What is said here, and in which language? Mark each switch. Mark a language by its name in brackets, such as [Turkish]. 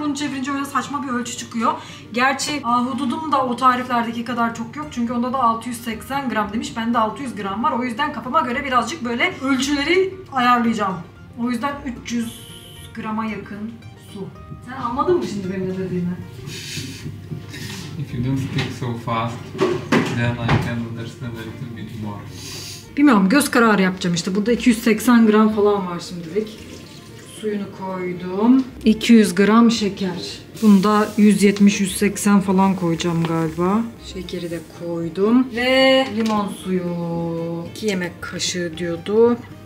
[Turkish] Onu çevirince öyle saçma bir ölçü çıkıyor. Gerçi ahududum da o tariflerdeki kadar çok yok. Çünkü onda da 680 gram demiş. Bende 600 gram var. O yüzden kafama göre birazcık böyle ölçüleri ayarlayacağım. O yüzden 300 grama yakın su. Sen anladın mı şimdi benim ne dediğimi? [English] If you don't speak so fast, then I can understand a little bit more. [Turkish] Bilmiyorum, göz kararı yapacağım işte. Burada 280 gram falan var şimdilik. Suyunu koydum. 200 gram şeker. Bunda 170-180 falan koyacağım galiba. Şekeri de koydum. Ve limon suyu. 2 yemek kaşığı diyordu.